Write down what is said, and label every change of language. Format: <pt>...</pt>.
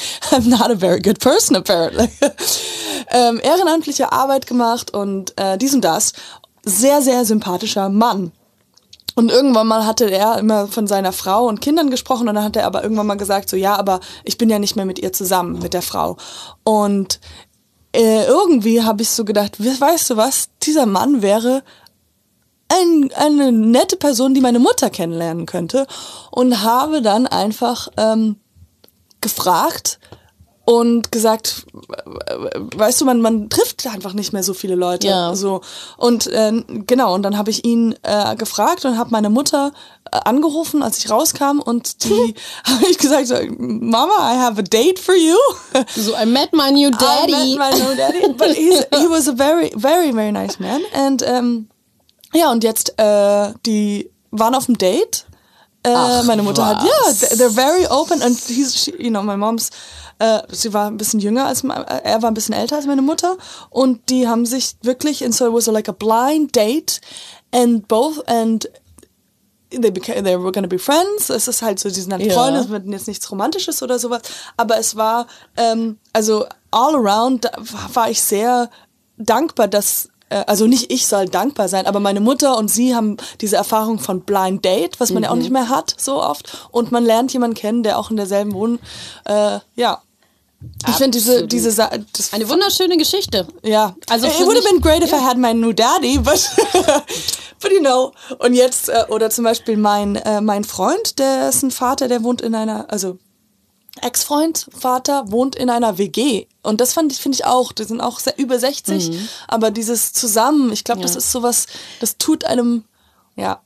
<en>I'm not a very good person, apparently.</en> <de>ehrenamtliche Arbeit gemacht und dies und das. Sehr, sehr sympathischer Mann. Und irgendwann mal hatte er immer von seiner Frau und Kindern gesprochen und dann hat er aber irgendwann mal gesagt, so, ja, aber ich bin ja nicht mehr mit ihr zusammen, mit der Frau. Und irgendwie habe ich so gedacht, weißt du was, dieser Mann wäre eine nette Person, die meine Mutter kennenlernen könnte und habe dann einfach gefragt und gesagt, weißt du, man trifft einfach nicht mehr so viele Leute. Ja. So. Und genau, und dann habe ich ihn gefragt und habe meine Mutter angerufen, als ich rauskam und die habe ich gesagt, so, Mama,</de> <en>I have a date for you. So, I met my new daddy. But he was a very, very, very nice man.</en> <de>And ja, und jetzt, die waren auf dem Date. Meine Mutter was? Hat, ja,</de> <en>yeah, they're very open. And my mom's,</en> <de>sie war ein bisschen jünger als, er war ein bisschen älter als meine Mutter. Und die haben sich wirklich,</de> <en>and so it was like a blind date. And they were gonna be friends.</en> <de>Es ist halt so, sie sind halt Freunde, es wird jetzt nichts Romantisches oder sowas. Aber es war, also</de> <en>all around</en> <de>war ich sehr dankbar, dass, also nicht ich soll dankbar sein, aber meine Mutter und sie haben diese Erfahrung von Blind Date, was man ja auch nicht mehr hat so oft. Und man lernt jemanden kennen, der auch in derselben Wohnung, ja. Absolut. Ich finde diese das eine wunderschöne Geschichte. Ja.</de> <en>Also it would have been great if I had my new daddy, but, but you know.</en> <de>Und jetzt, oder zum Beispiel mein Freund, dessen Vater, der wohnt in einer, also Ex-Freund, Vater, wohnt in einer WG. Und das finde ich auch, die sind auch sehr über 60, aber dieses zusammen, ich glaube, das ist sowas, das tut einem, ja.</de>